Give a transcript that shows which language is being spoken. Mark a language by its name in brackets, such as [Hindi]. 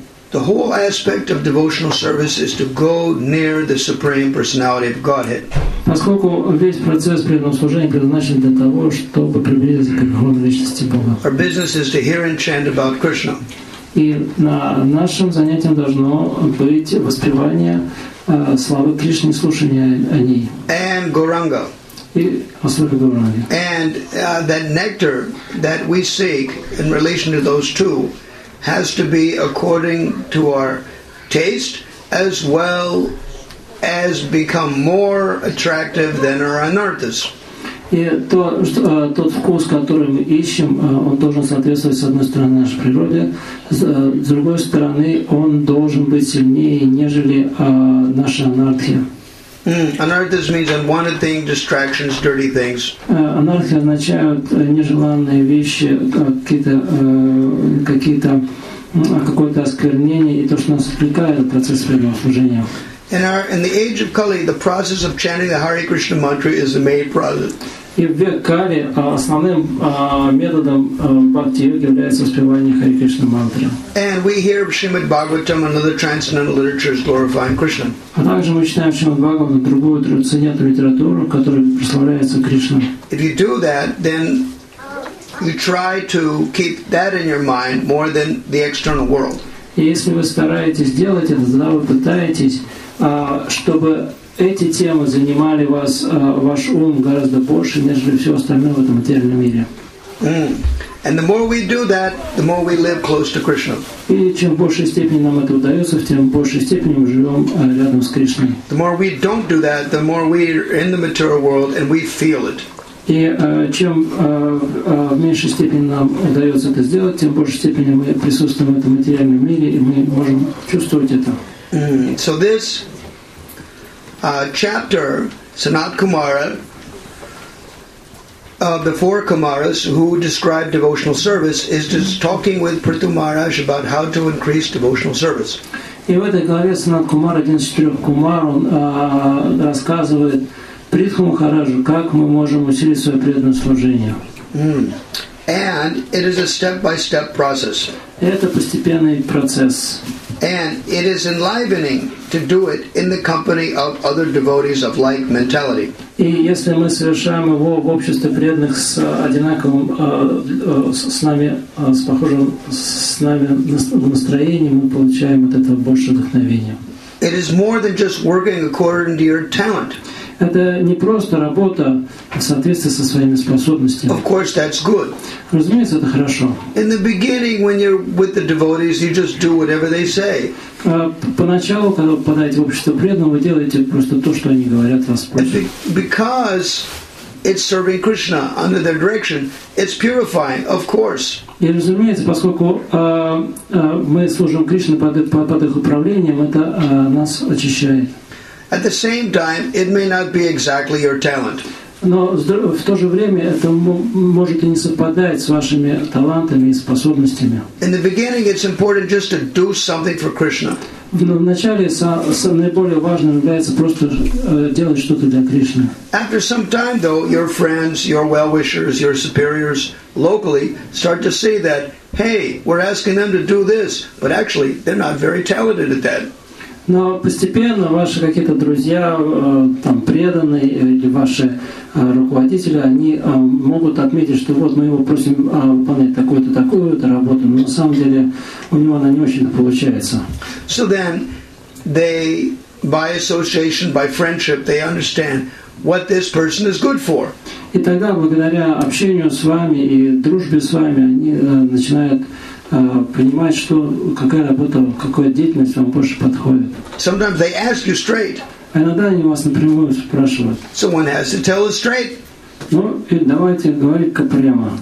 [English] The whole aspect of devotional service is to go near the Supreme Personality of Godhead. [Russian] Поскольку весь процесс преданного служения предназначен для того, чтобы приблизиться к верховной личности Бога. [English] Our business is to hear and chant about Krishna. [Russian] И на нашем занятии должно быть воспевание славы Кришны, слушание о ней. [English] And Gauranga. [Russian] И особенно Гауранги. [English] And that nectar that we seek in relation to those two has to be according to our taste as well as become more attractive than our anarthas. [Russian] И тот вкус, который мы ищем, он должен соответствовать, с одной стороны, нашей природе, с другой стороны, он должен быть сильнее, нежели наша анархия. [English] Anarthas means unwanted things, distractions, dirty things. [Russian] Анархия означает нежеланные вещи, какое-то осквернение и то, что нас отвлекает от процесса преданного служения. [English] In the age of Kali, the process of chanting the Hare Krishna mantra is the main process. [Russian] И в век Кали основным методом бхакти-йоги является воспевание Хари Кришна мантры. [English] And we hear Shrimad Bhagavatam and other transcendental literatures glorifying Krishna. [Russian] А также мы читаем Шримад Бхагаватам, другую трансцендентную литературу, которая прославляется Кришна. [English] If you do that, then you try to keep that in your mind more than the external world. [Russian] И если вы стараетесь делать это, тогда вы пытаетесь, чтобы эти темы занимали вас, ваш ум гораздо больше, нежели все остальное в этом материальном мире. [English] And the more we do that, the more we live close to Krishna. [Russian] И чем в большей степени нам это удается, тем в большей степени мы живем рядом с Кришной. [English] The more we don't do that, the more we are in the material world and we feel it. [Russian] И чем в меньшей степени нам удается это сделать, тем в большей степени мы присутствуем в этом материальном мире и мы можем чувствовать это. [English] So this chapter, Sanat Kumara, of the four Kumaras who describe devotional service, is just talking with Prithu Maharaj about how to increase devotional service. [Russian] И в этой главе Санат Кумар, один из четырех Кумар, он рассказывает Притху Махараджу, как мы можем усилить свое преданное служение. [English] And it is a step-by-step process. [Russian] Это постепенный процесс. [English] And it is enlivening to do it in the company of other devotees of like mentality. [Russian] И если мы совершаем его в обществе преданных с одинаковым с нами с похожим с нами настроением, мы получаем от этого больше вдохновения. [English] It is more than just working according to your talent. [Russian] Это не просто работа в соответствии со своими способностями. [English] Of course, that's good. [Russian] Разумеется, это хорошо. [English] In the beginning, when you're with the devotees, you just do whatever they say. [Russian] Поначалу, когда вы попадаете в общество преданного, вы делаете просто то, что они говорят вас просто. [English] Because it's serving Krishna under their direction, it's purifying, of course. [Russian] И разумеется, поскольку мы служим Кришне под их управлением, это нас очищает. [English] At the same time, it may not be exactly your talent. [Russian] Но в то же время это может и не совпадать с вашими талантами и способностями. [English] In the beginning, it's important just to do something for Krishna. [Russian] Вначале наиболее важным является просто делать что-то для Кришны. [English] After some time, though, your friends, your well-wishers, your superiors locally start to see that, hey, we're asking them to do this, but actually, they're not very talented at that. [Russian] Но постепенно ваши какие-то друзья, там, преданные, или ваши руководители, они могут отметить, что вот мы его просим выполнять такую-то, такую-то работу, но на самом деле у него она не очень получается. [English] So then they, by association, by friendship, they understand what this person is good for. [Russian] И тогда, благодаря общению с вами и дружбе с вами, они начинают понимать, что какая работа, какая деятельность вам больше подходит. [English] Sometimes they ask you straight. [Russian] Иногда они вас напрямую спрашивают. [English] Someone has to tell us straight. [Russian] Ну, и давайте говорить прямо.